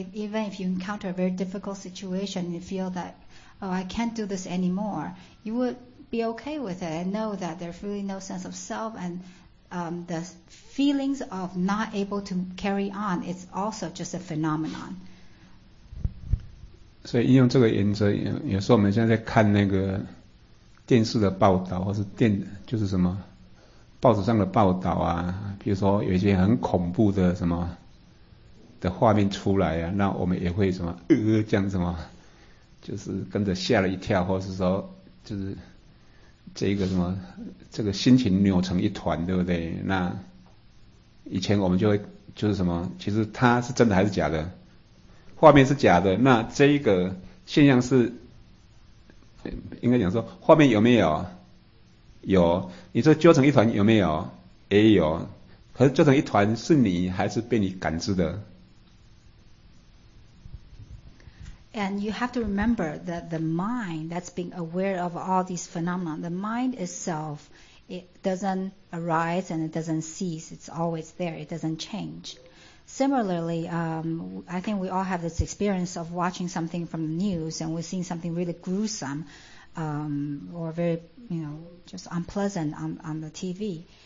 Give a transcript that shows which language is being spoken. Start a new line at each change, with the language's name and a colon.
English: Even if you encounter a very difficult situation, you feel that, oh, I can't do this anymore, you would be okay with it and know that there's really no sense of self and the feelings of not able to carry on is also just a phenomenon.
Chinese: 所以应用这个原则，有时候我们现在在看那个电视的报道，或是电，就是什么，报纸上的报道啊，比如说有一些很恐怖的什么的画面出来啊，那我们也会什么这样什么，就是跟着吓了一跳，或是说就是这个什么这个心情扭成一团，对不对？那以前我们就会就是什么，其实它是真的还是假的，画面是假的，那这一个现象是应该讲说画面有没有，有，你说揪成一团有没有，也有，可是揪成一团是你还是被你感知的。
English: And you have to remember that the mind that's being aware of all these phenomena, the mind itself, it doesn't arise and it doesn't cease. It's always there. It doesn't change. Similarly, I think we all have this experience of watching something from the news and we're seeing something really gruesome or very, you know, just unpleasant on the TV.